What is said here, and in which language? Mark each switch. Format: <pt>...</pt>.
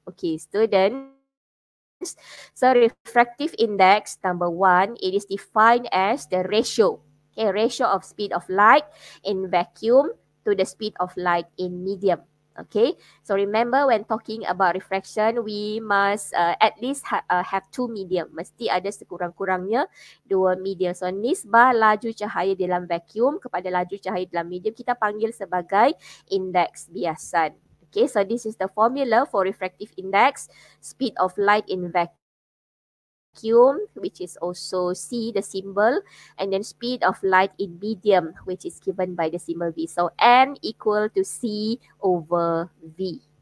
<en>Okay, students. So refractive index, number one, it is defined as the ratio. Okay, ratio of speed of light in vacuum to the speed of light in medium. Okay, so remember when talking about refraction, we must at least have two medium.</en> <ms>Mesti ada sekurang-kurangnya dua medium. So nisbah laju cahaya dalam vacuum kepada laju cahaya dalam medium kita panggil sebagai index biasan.</ms> <en>Okay, so this is the formula for refractive index, speed of light in vacuum, which is also C, the symbol, and then speed of light in medium, which is given by the symbol V. So N equal to C over V.</en>